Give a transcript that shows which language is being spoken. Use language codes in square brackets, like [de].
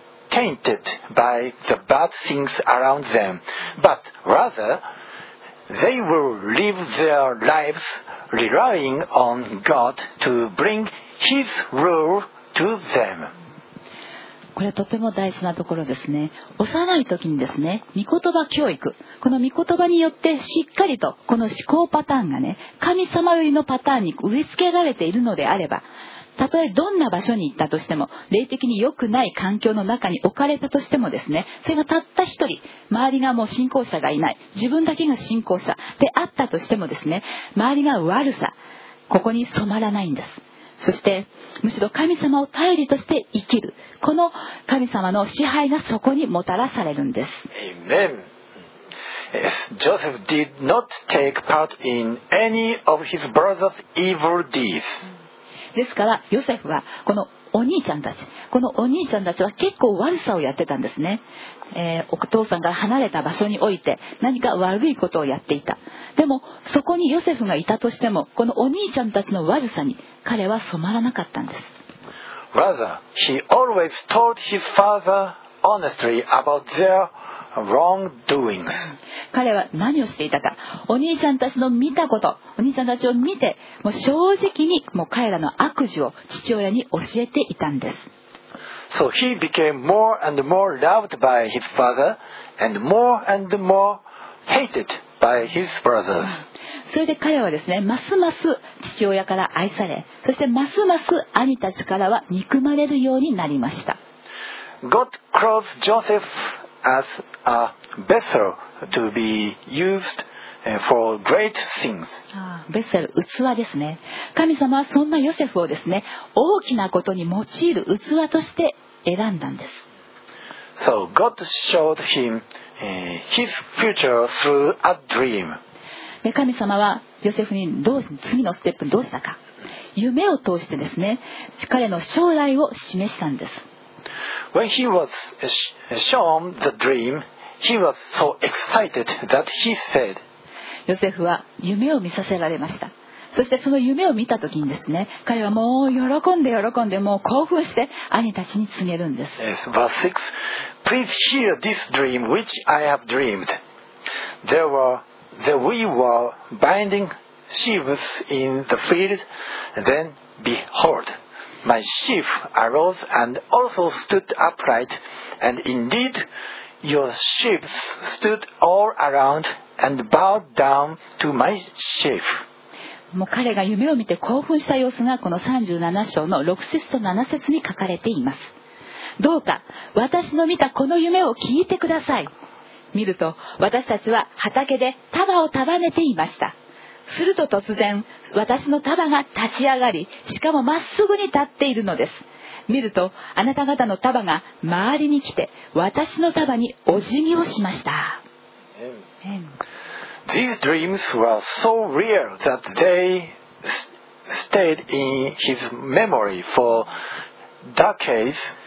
[en] tainted by the bad things around them, but rather they will live their lives relying on God to bring His rule to them. [ja] これはとても大事なところですね。幼い時にですね、御言葉教育、この御言葉によってしっかりとこの思考パターンがね、神様よりのパターンに植え付けられているのであれば、たとえどんな場所に行ったとしても、霊的に良くない環境の中に置かれたとしてもですね、それがたった一人、周りがもう信仰者がいない、自分だけが信仰者であったとしてもですね、周りが悪さ、ここに染まらないんです。そしてむしろ神様を頼りとして生きる、この神様の支配がそこにもたらされるんです。 [en] Amen. Joseph did not take part in any of his brother's evil deeds. [ja] ですからヨセフはこのお兄ちゃんたち、このお兄ちゃんたちは結構悪さをやってたんですね。お父さんが離れた場所において何か悪いことをやっていた。でもそこにヨセフがいたとしても、このお兄ちゃんたちの悪さに彼は染まらなかったんです。 [en] Rather, he always told his father honestly about their wrongdoings. [ja] 彼は何をしていたか、お兄ちゃんたちの見たこと、お兄ちゃんたちを見て、もう正直にもう彼らの悪事を父親に教えていたんです。 [en] So he became more and more loved by his father and more hated by his brothers. [ja] それで彼はですね、ますます父親から愛され、そしてますます兄たちからは憎まれるようになりました。 [en] God calls Joseph as a vessel to be used for great things. [ja] ベセル、器ですね。神様はそんなヨセフをですね、大きなことに用いる器として選んだんです。 [en] So God showed him his future through a dream. [ja] で、神様はヨセフにどう、次のステップどうしたか。夢を通してですね、彼の将来を示したんです。 [en] When he was shown the dream, he was so excited that he said, [ja] ヨセフは夢を見させられました。そしてその夢を見た時にですね、彼はもう喜んで喜んで、もう興奮して兄たちに告げるんです。 [en] Yes, verse 6. Please hear this dream which I have dreamed. We were binding sheaves in the field. Then behold, my sheaf arose and also stood upright. And indeed, your sheaves stood all around and bowed down to my sheaf. [ja] もう彼が夢を見て興奮した様子がこの37章の6節と7節に書かれています。どうか私の見たこの夢を聞いてください。見ると私たちは畑で束を束ねていました。すると突然私の束が立ち上がり、しかもまっすぐに立っているのです。見るとあなた方の束が周りに来て私の束にお辞儀をしました。 [en] These dreams were so real that they stayed in his memory for decades.